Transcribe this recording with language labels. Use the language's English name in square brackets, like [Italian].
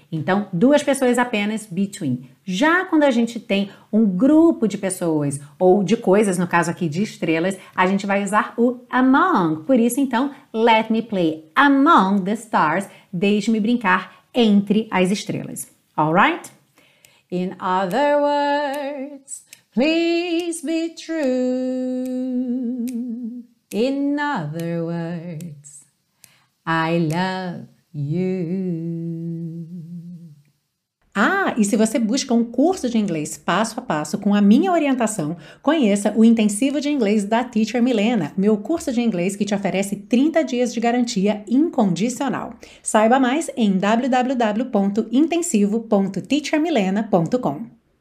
[Portuguese] Então, duas pessoas apenas, between. Já quando a gente tem um grupo de pessoas, ou de coisas, no caso aqui de estrelas, a gente vai usar o among. Por isso, então, [English] let me play among the stars, [Portuguese] deixe-me brincar entre as estrelas. [English] All right? In other words, please be true. In other words, I love you. [Portuguese] Ah, e se você busca um curso de inglês passo a passo com a minha orientação, conheça o Intensivo de Inglês da Teacher Milena, meu curso de inglês que te oferece 30 dias de garantia incondicional. Saiba mais em www.intensivo.teachermilena.com.